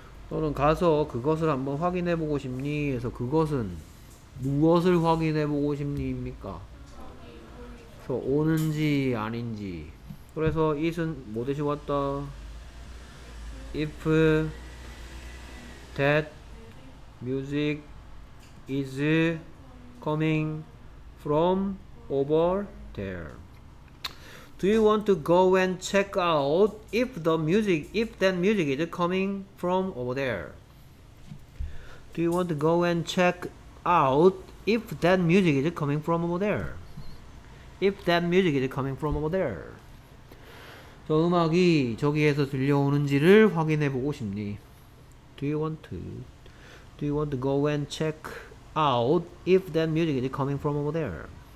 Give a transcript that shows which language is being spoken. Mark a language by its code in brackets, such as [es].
[ko] 너는 가서 그것을 한번 확인해보고 싶니? 해서 그것은 무엇을 확인해보고 싶니입니까? 그래서 오는지 아닌지 그래서 it은 뭐 대시 왔다? [en] If that music is coming from over there. Do you want to go and check out if the music, if that music is coming from over there? Do you want to go and check out if that music is coming from over there? If that music is coming from over there? [ko] 저 음악이 저기에서 들려오는지를 확인해 보고 싶니? [en] Do you want to go and check out if that music is coming from over there?